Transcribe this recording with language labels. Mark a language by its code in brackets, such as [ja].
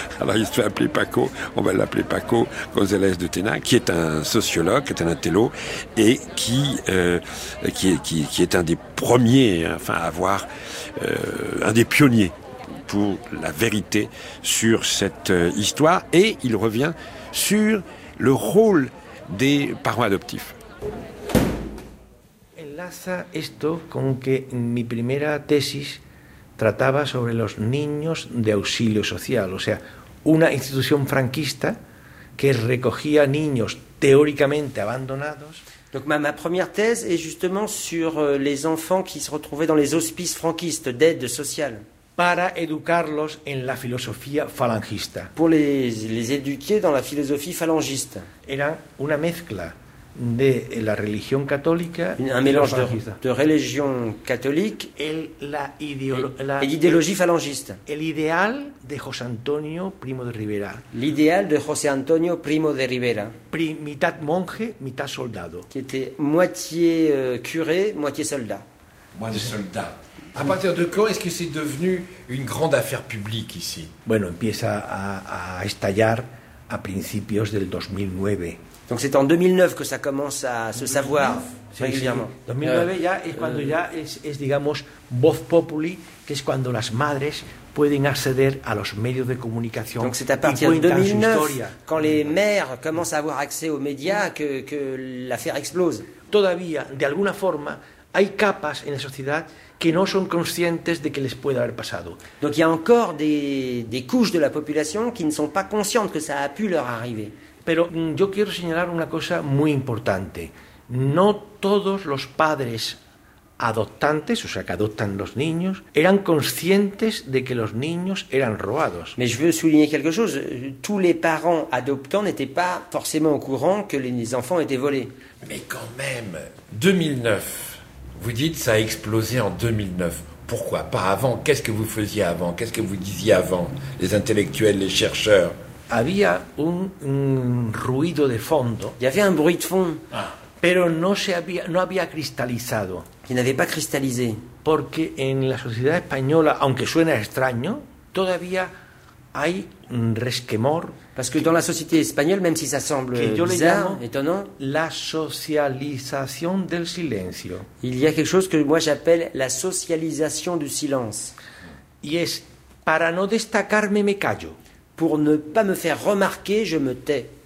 [fr] Alors il se fait appeler Paco, on va l'appeler Paco González de Tena, qui est un sociologue, qui est un intello, et qui est un des premiers, enfin, à avoir un des pionniers pour la vérité sur cette histoire, et il revient sur le rôle des parents adoptifs. [es] Enlaza esto con que mi primera tesis trataba sobre los niños de auxilio social, o sea, una institución franquista que recogía niños teóricamente abandonados. [fr] Donc ma première thèse est justement sur les enfants qui se retrouvaient dans les hospices franquistes d'aide sociale. [es] Para educarlos en la filosofía falangista. [fr] Pour les éduquer dans la philosophie falangiste. [es] Era una mezcla de la religión católica, [fr] un mélange de religión catholique et l'idéologie falangiste. [es] El ideal de José Antonio Primo de Rivera. [fr] L'idéal de José Antonio Primo de Rivera. [es] Mitad monje, mitad soldado. [fr] Qui était moitié curé, moitié soldat. Moitié soldat. À partir de quand est-ce que c'est devenu une grande affaire publique ici? [es] Bueno, empieza a estallar a principios del 2009. [fr] Donc c'est en 2009 que ça commence à se savoir régulièrement. [es] 2009 ya es cuando ya es digamos voz populi, que es cuando las madres pueden acceder a los medios de comunicación. [fr] Donc c'est à partir de 2009 quand les mères commencent à avoir accès aux médias que l'affaire explose. [es] Todavía de alguna forma hay capas en la sociedad que no son conscientes de que les puede haber pasado. [fr] Donc il y a encore des couches de la population qui ne sont pas conscientes que ça a pu leur arriver. [es] Pero yo quiero señalar una cosa muy importante. No todos los padres adoptantes, o sea, que adoptan los niños, eran conscientes de que los niños eran robados. [fr] Mais je veux souligner quelque chose. Tous les parents adoptants n'étaient pas forcément au courant que les enfants étaient volés. Mais quand même, 2009, vous dites ça a explosé en 2009. Pourquoi? Pas avant. Qu'est-ce que vous faisiez avant? Qu'est-ce que vous disiez avant? Les intellectuels, les chercheurs? [es] Había un ruido de fondo. Y había [fr] un bruit de fond. Ah. [es] Pero no había cristalizado. Y no había cristalizado. Porque en la sociedad española, aunque suena extraño, todavía hay un resquemor. [fr] Parce que dans la société espagnole, même si ça semble bizarre, étonnant, [es] la socialisation del silencio. [fr] Il y a quelque chose que moi j'appelle la socialisation du silence. [es] Y es para no destacarme me callo. [fr] Pour ne pas me faire remarquer, je me tais.